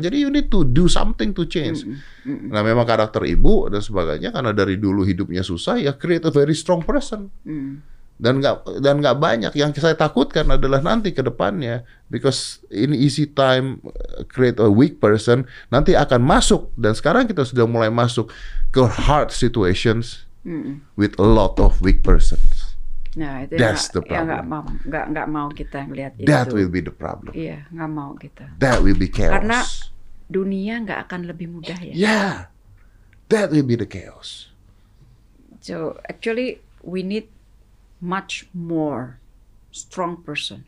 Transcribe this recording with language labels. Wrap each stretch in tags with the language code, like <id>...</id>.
<id>Jadi</id> <en>you need to do something to change.</en> <id>Nah memang karakter ibu dan sebagainya karena dari dulu hidupnya susah ya</id> <en>create a very strong person.</en> <id>Dan nggak banyak yang saya takutkan adalah nanti ke depannya</id> <en>because in easy time create a weak person</en> <id>nanti akan masuk dan sekarang kita sudah mulai masuk ke</id> <en>hard situations with a lot of weak persons. Nah, that's the problem.</en> <id>Nggak mau kita melihat itu.</id> <en>That will be the problem.</en> <id>Iya, nggak mau kita.</id> <en>That will be chaos.</en> <id>Karena dunia nggak akan lebih mudah ya.</id> <en>Yeah, that will be the chaos. So actually we need much more strong person.</en>